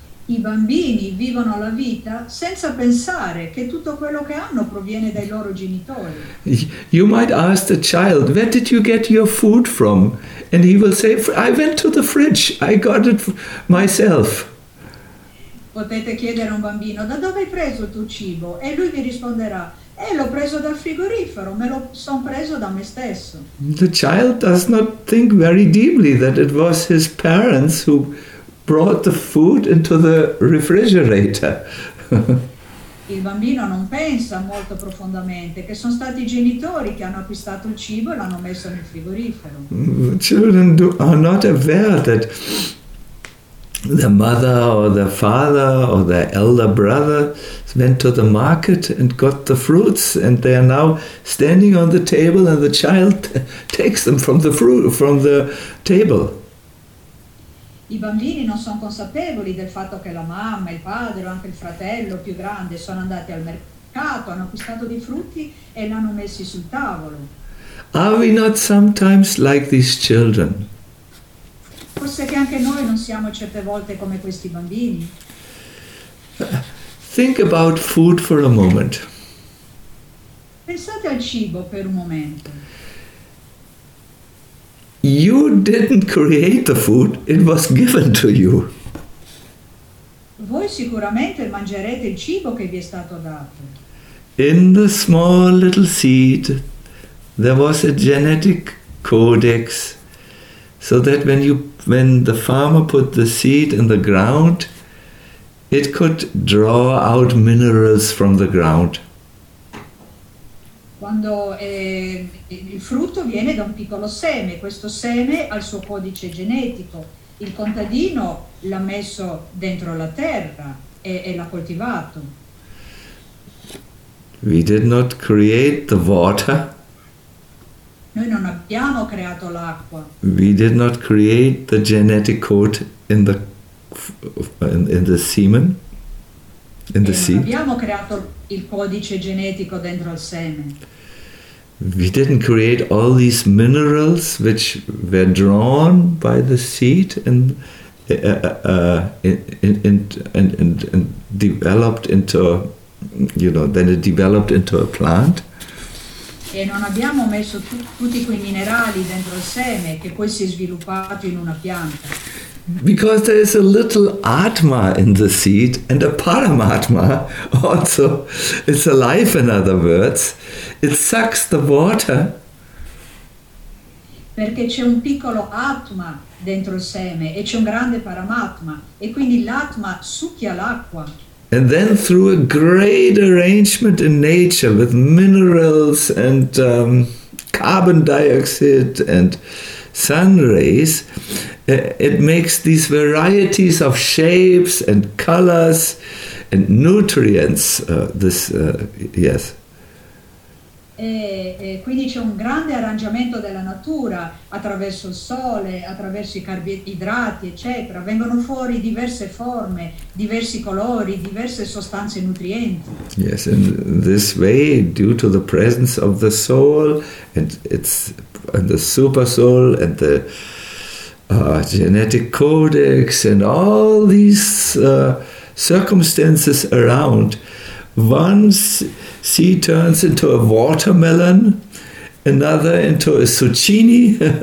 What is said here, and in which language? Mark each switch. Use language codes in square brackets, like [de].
[it] I bambini vivono la vita senza pensare che tutto quello che hanno proviene dai loro genitori. [en] You might ask the child, where did you get your food from? And he will say, I went to the fridge, I got it myself. [it] Potete chiedere a un bambino, da dove hai preso il tuo cibo? E lui vi risponderà, l'ho preso dal frigorifero, me lo son preso da me stesso. [en] The child does not think very deeply that it was his parents who brought the food into the refrigerator. [it] Il bambino non pensa molto profondamente che sono stati i genitori che hanno acquistato il cibo e l'hanno messo nel frigorifero. [en] The children are not aware that their mother or their father or their elder brother went to the market and got the fruits, and they are now standing on the table and the child takes them from the fruit from the table. [it] I bambini non sono consapevoli del fatto che la mamma, il padre o anche il fratello più grande sono andati al mercato, hanno acquistato dei frutti e li hanno messi sul tavolo. [en] Are we not sometimes like these children? [it] Forse che anche noi non siamo certe volte come questi bambini. [en] Think about food for a moment. [it] Pensate al cibo per un momento. [en] You didn't create the food, it was given to you. [it] Voi sicuramente mangerete il cibo che vi è stato dato. [en] In the small little seed, there was a genetic codex, so that when the farmer put the seed in the ground, it could draw out minerals from the ground. [it] Quando il frutto viene da un piccolo seme, questo seme ha il suo codice genetico. Il contadino l'ha messo dentro la terra e l'ha coltivato. [en] We did not create the water. [it] Noi non abbiamo creato l'acqua. [en] We did not create the genetic code in the semen. [it] Non abbiamo creato il codice genetico dentro al seme. [en] We didn't create all these minerals which were drawn by the seed and developed into, you know, then it developed into a plant. [it] E non abbiamo messo tutti quei minerali dentro il seme che poi si è sviluppato in una pianta. [en] Because there is a little atma in the seed and a paramatma also. It's alive, in other words. It sucks the water. [it] Perché c'è un piccolo atma dentro il seme e c'è un grande paramatma. E quindi l'atma succhia l'acqua. [en] And then through a great arrangement in nature with minerals and carbon dioxide and sun rays, it makes these varieties of shapes and colors and nutrients. Yes. [it] E quindi c'è un grande arrangiamento della natura attraverso il sole, attraverso i carboidrati, eccetera. Vengono fuori diverse forme, diversi colori, diverse sostanze nutrienti. [en] Yes, in this way, due to the presence of the soul and its and the super soul and the genetic codex and all these circumstances around, one seed turns into a watermelon, another into a zucchini,